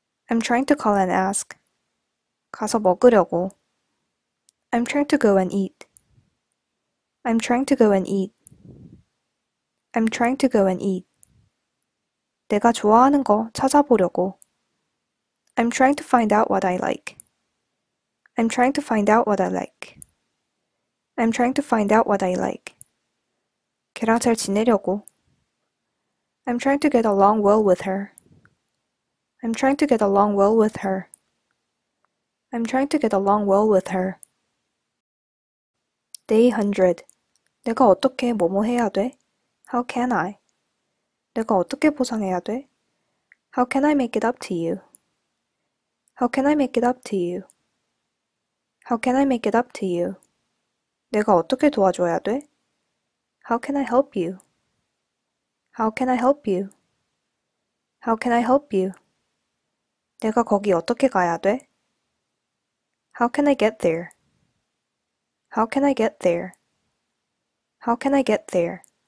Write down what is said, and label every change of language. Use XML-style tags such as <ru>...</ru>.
<en>I'm trying to call and ask.</en> <ko>가서 먹으려고.</ko> <en>I'm trying to go and eat. I'm trying to go and eat. I'm trying to go and eat.</en> <ko>내가 좋아하는 거 찾아보려고.</ko> <en>I'm trying to find out what I like. I'm trying to find out what I like. I'm trying to find out what I like.</en> <ko>걔랑 잘 지내려고.</ko> <en>I'm trying to get along well with her. I'm trying to get along well with her. I'm trying to get along well with her. Day 100.</en> <ko>내가 어떻게 뭐뭐 해야 돼?</ko> <en>How can I?</en> <ko>내가 어떻게 보상해야 돼?</ko> <en>How can I make it up to you? How can I make it up to you? How can I make it up to you?</en> <ko>내가 어떻게 도와줘야 돼?</ko> <en>How can I help you? How can I help you? How can I help you?</en> <ko>내가 거기 어떻게 가야 돼?</ko> <en>How can I get there? How can I get there? How can I get there?</en>